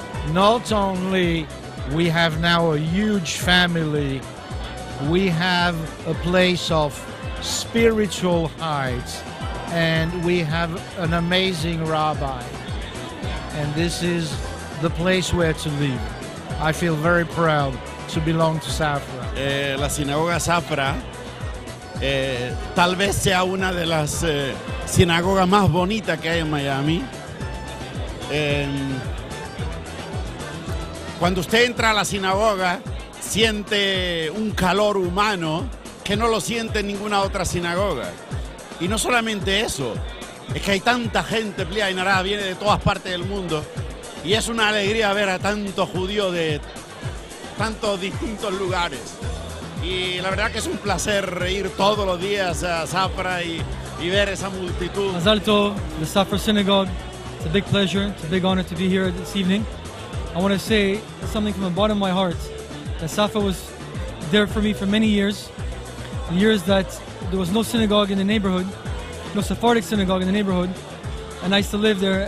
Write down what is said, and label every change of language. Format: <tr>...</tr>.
<en>Not only we have now a huge family, we have a place of spiritual heights, and we have an amazing rabbi. And this is the place where to live. I feel very proud to belong to Safra.</en> <es>La sinagoga Safra tal vez sea una de las sinagogas más bonitas que hay en Miami. Cuando usted entra a la sinagoga, siente un calor humano que no lo siente en ninguna otra sinagoga. Y no solamente eso, es que hay tanta gente, Plia y Nará, viene de todas partes del mundo. Y es una alegría ver a tantos judíos de tantos distintos lugares. Y la verdad que es un placer reír todos los días a Safra y ver esa multitud.</es> <en>Mazal Tov, the Safra Synagogue. It's a big pleasure, it's a big honor to be here this evening. I want to say something from the bottom of my heart. That Safra was there for me for many years. The years that there was no synagogue in the neighborhood, no Sephardic synagogue in the neighborhood, and I used to live there.</en>